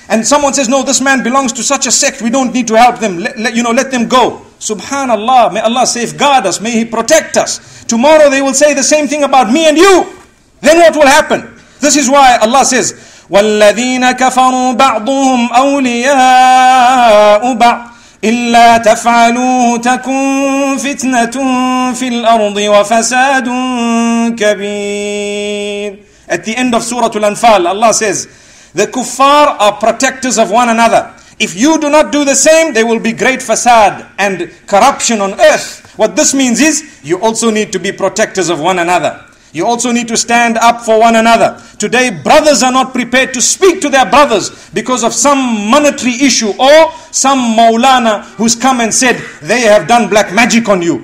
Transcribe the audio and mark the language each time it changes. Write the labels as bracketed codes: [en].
[en] And someone says, no, this man belongs to such a sect. We don't need to help them. Let them go. Subhanallah, may Allah safeguard us, may He protect us. Tomorrow they will say the same thing about me and you. Then what will happen? This is why Allah says, [ar] وَالَّذِينَ كَفَرُوا بَعْضُهُمْ أَوْلِيَاءُ بَعْضٍ إِلَّا تَفْعَلُوهُ تَكُنْ فِتْنَةٌ فِي الْأَرْضِ وَفَسَادٌ كَبِيرٌ. [en] At the end of Surah Al-Anfal, Allah says, the kuffar are protectors of one another. If you do not do the same, there will be great fasad and corruption on earth. What this means is, you also need to be protectors of one another. You also need to stand up for one another. Today, brothers are not prepared to speak to their brothers because of some monetary issue or some maulana who's come and said, they have done black magic on you.